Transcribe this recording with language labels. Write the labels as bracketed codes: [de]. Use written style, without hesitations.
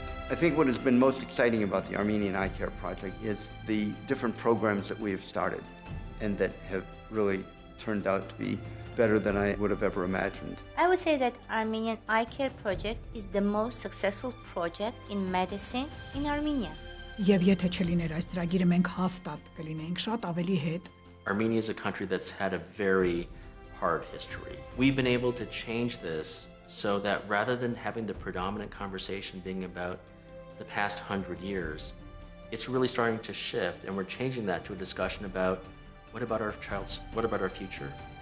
[en] I think what has been most exciting about the Armenian Eye Care Project is the different programs that we have started and that have really turned out to be better than I would have ever imagined. I would say that Armenian Eye Care Project is the most successful project in medicine in Armenia. [hy] Եվ եթե չլիներ այս ծրագիրը, մենք հաստատ կլինեինք շատ ավելի հետ. [en] Armenia is a country that's had a very hard history. We've been able to change this so that rather than having the predominant conversation being about the past 100 years, it's really starting to shift, and we're changing that to a discussion about what about our child's, what about our future?